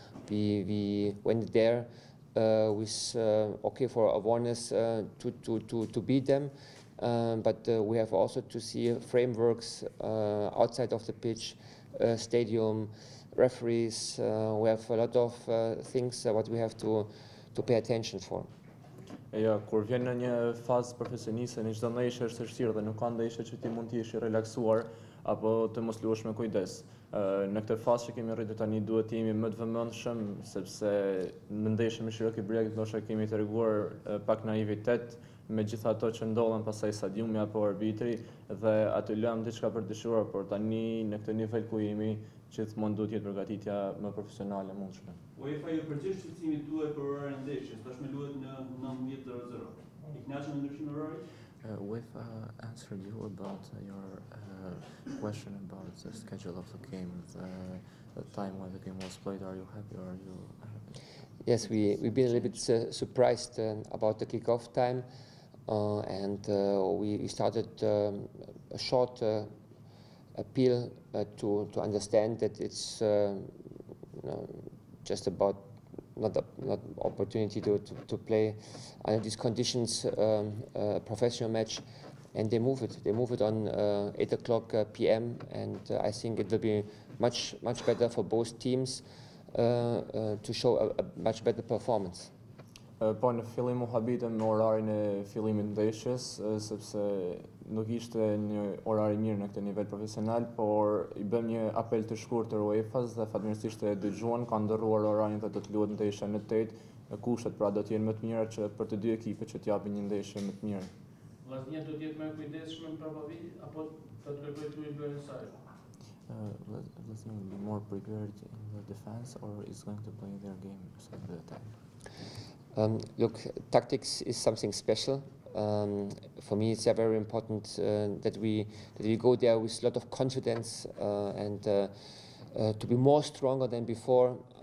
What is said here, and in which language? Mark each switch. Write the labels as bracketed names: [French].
[English] We went there with okay for awareness to beat them. But we have also to see frameworks outside of the pitch, stadium, referees. We have a lot of things that we have to pay attention for. [Albanian] Ja, kur vjen në një fazë profesioniste, në çdo ndeshje është vështirë dhe nuk ka ndeshje që ti mund të jesh i relaksuar apo të mos luash me kujdes. Në këtë fazë që kemi rritur tani duhet të jemi më të vëmendshëm sepse në ndeshje me Sirokit Brdariç ndoshta kemi treguar pak naivitet me gjitha ato që ndodhen pasaj stadiumi apo arbitri dhe aty lëm diçka për dyshuar, por tani në këtë nivel ku jemi gjithmonë duhet të jetë përgatitja më profesionale mundshme. UEFA ju përgjigj shqetësimi duhet për orarin e ndeshjes, tashmë luhet në 19:00. I kënaqur me ndryshimin e orarit? [English] UEFA answered you about your question about the schedule of the game, the time when the game was played. Are you happy or are you Yes, we've been a little bit surprised about the kickoff time, and we started a short appeal to understand that it's just about not opportunity to play under these conditions a professional match, and they move it. They move it on 8:00 p.m. and I think it will be much better for both teams to show a much better performance. [Albanian] Po në fillim u habitëm me orarin e fillimit të ndeshjes, sepse nuk ishte një orar i mirë në këtë nivel profesional, por i bëm një apel të shkurtër UEFA-s dhe fatmirësisht e dëgjuan, kanë ndërruar orarin dhe do të luhet ndeshja në 8:00. Kushtet pra do të jenë më të mira që për të dy ekipet që të japin një ndeshje më të mirë. Vllaznia do të jetë më e kujdesshme në provavi apo do të kërkojë turin bërë saj? [English] Let's see, be more prepared in the defense or is going to play their game in the attack? Look, tactics is something special. For me, it's very important that we go there with a lot of confidence and to be more stronger than before.